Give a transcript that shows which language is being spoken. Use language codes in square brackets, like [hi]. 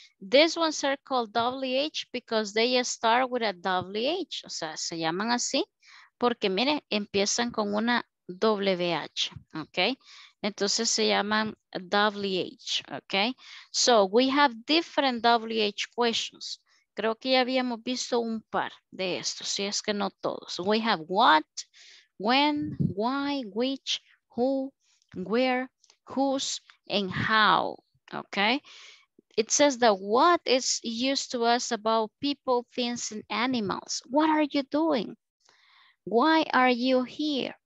[en] These ones are called WH because they start with a WH. [es] O sea, se llaman así porque, mire, empiezan con una WH, okay? Entonces se llaman WH, ¿ok? [en] So, we have different WH questions. [es] Creo que ya habíamos visto un par de estos, si es que no todos. [en] We have what, when, why, which, who, where, whose, and how, ¿ok? It says that what is used to us about people, things, and animals. What are you doing? Why are you here?